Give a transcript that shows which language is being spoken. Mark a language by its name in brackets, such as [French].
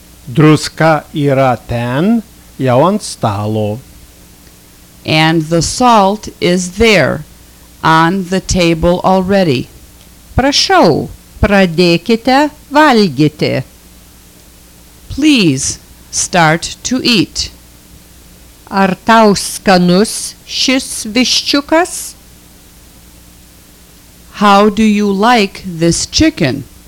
[Lithuanian] Druska yra ten, jau ant stalo. [English] And the salt is there, on the table already. [Lithuanian] Prašau, pradėkite valgyti. [English] Please, start to eat. [Lithuanian] Ar tau skanus šis viščiukas? [English] How do you like this chicken?